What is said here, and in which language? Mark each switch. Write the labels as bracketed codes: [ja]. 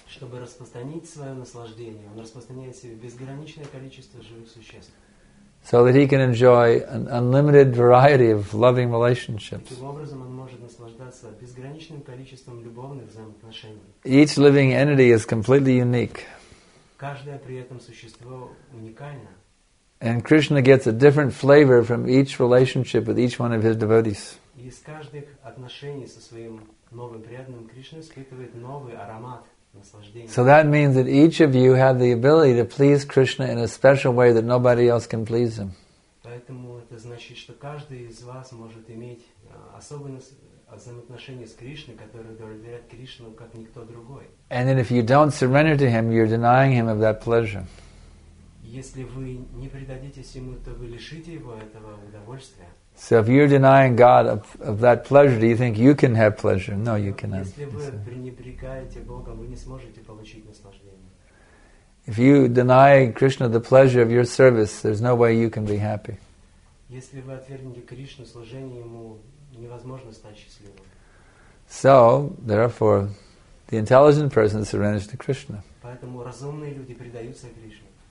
[ru] Чтобы распространить свое наслаждение, он распространяет себе безграничное количество живых существ. [en] So that he can enjoy an unlimited variety of loving relationships. [ru] Таким образом, он может наслаждаться безграничным количеством любовных взаимоотношений. [en] Each living entity is completely unique. [ru] Каждое при этом существо уникально. [en] And Krishna gets a different flavor from each relationship with each one of his devotees. [ru] Из каждых отношений со своим новым преданным Кришна испытывает новый аромат наслаждения. [en] So that means that each of you have the ability to please Krishna in a special way that nobody else can please him. [ru] Поэтому это значит, что каждый из вас может иметь особые взаимоотношения с Кришной, которые доверяют Кришну как никто другой. [en] And then if you don't surrender to him, you're denying him of that pleasure. [ru] Если вы не предадитесь ему, то вы лишите его этого удовольствия. [en] So if you're denying God of that pleasure, do you think you can have pleasure? No, you cannot. [ru] Если вы пренебрегаете Богом, вы не сможете получить наслаждение. [en] If you deny Krishna the pleasure of your service, there's no way you can be happy. [ru] Если вы отвергнете Кришну служение ему, невозможно стать счастливым. [en] So, therefore, the intelligent person surrenders to Krishna. [ru] Поэтому разумные люди предаются Кришне.